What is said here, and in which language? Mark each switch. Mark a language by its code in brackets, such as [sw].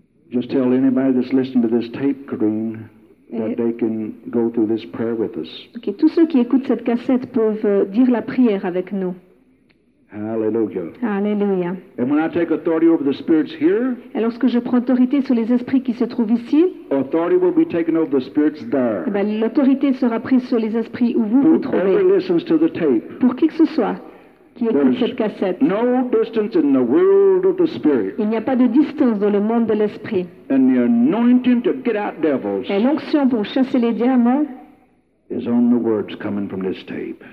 [en] Just tell anybody that's listening to this tape, Karine, that they can go through this prayer with us. [fr] Okay, tous ceux qui écoutent cette cassette peuvent dire la prière avec nous. [en] Hallelujah. [fr] Hallelujah. [en] And when I take authority over the spirits here, [fr] et lorsque je prends autorité sur les esprits qui se trouvent ici, [en] authority will be taken over the spirits there. [fr] Et ben, l'autorité sera prise sur les esprits où vous [en] Who [fr] vous trouvez. [en] Whoever listens to the tape, [fr] pour qui que ce soit qui écoute cette cassette, [en] no distance in the world of the spirit. [fr] Il n'y a pas de distance dans le monde de l'esprit. [en] And the anointing to get out devils. [fr] Et l'onction pour chasser les diamants [en] is on the words coming from this tape.